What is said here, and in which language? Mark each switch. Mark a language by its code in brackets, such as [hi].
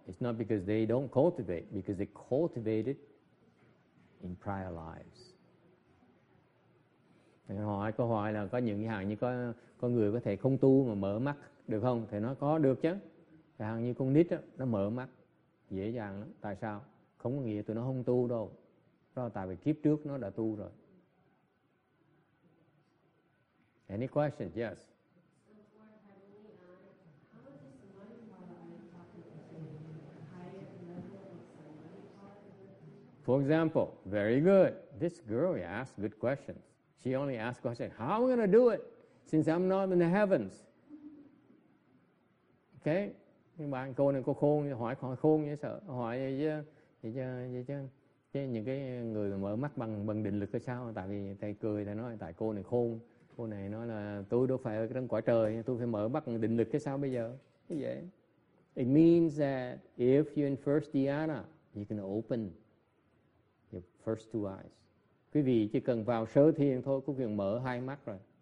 [en] It's not because they don't cultivate, because they cultivated in prior lives. [vi] Thầy hỏi câu hỏi là có những hàng như có người có thể không tu mà mở mắt được không? Thầy nói có được chứ. Cái hàng như con nít đó, nó mở mắt dễ dàng lắm. Tại sao? Không có nghĩa tụi nó không tu đâu. Đó là tại vì kiếp trước nó đã tu rồi. [en] Any questions? Yes. For example, very good. This girl asked good questions. She only asked questions, how am I going to do it since I'm not in the heavens? Okay? [vi] Nhưng bạn cô này cô khôn, hỏi khôn như sợ, hỏi vậy chứ những cái người mở mắt bằng định lực hay sao? Tại vì thầy cười, thầy nói tại cô này khôn. Cô này nói là tôi đâu phải ở trong quả trời, tôi phải mở mắt bằng định lực hay sao bây giờ? Vậy. [en] It means that if you're in first dhyana, you can open your first two eyes. [vi] Quý vị chỉ cần vào sơ thiền thôi, quý vị mở hai mắt rồi.